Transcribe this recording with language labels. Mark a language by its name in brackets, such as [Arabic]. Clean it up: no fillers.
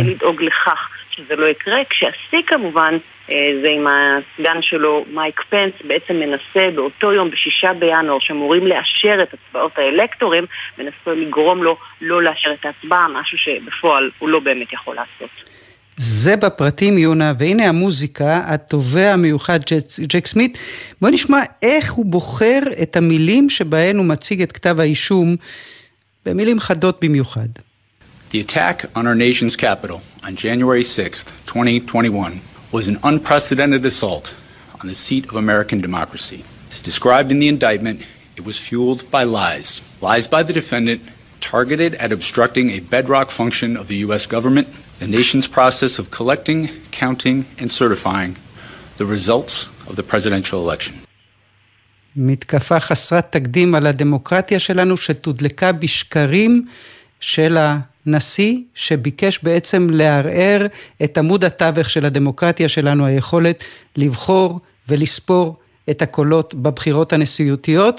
[Hebrew] כדי לדאוג לכך שזה לא יקרה, כשעשי כמובן זה עם הסגן שלו מייק פנס, בעצם מנסה באותו יום בשישה בינואר שאמורים לאשר את הצבעות האלקטורים, מנסה לגרום לו לא לאשר את ההצבעה, משהו שבפועל הוא לא באמת יכול לעשות. זה בפרטים יונה, והנה המוזיקה, התובע המיוחד ג'ק סמית, בוא נשמע איך הוא בוחר את המילים שבהן הוא מציג את כתב האישום, במילים חדות במיוחד. [English] The attack on our nation's capital on January 6th, 2021 was an unprecedented assault on the seat of American democracy. As described in the indictment, it was fueled by lies. Lies by the defendant targeted at obstructing a bedrock function of the U.S. government, the nation's process of collecting, counting, and certifying the results of the presidential election. [Hebrew] מתקפה חסרת תקדים על הדמוקרטיה שלנו שתודלקה בשקרים של ה... נשיא שביקש בעצם לערער את עמוד התווך של הדמוקרטיה שלנו, היכולת לבחור ולספור את הקולות בבחירות הנשיאותיות.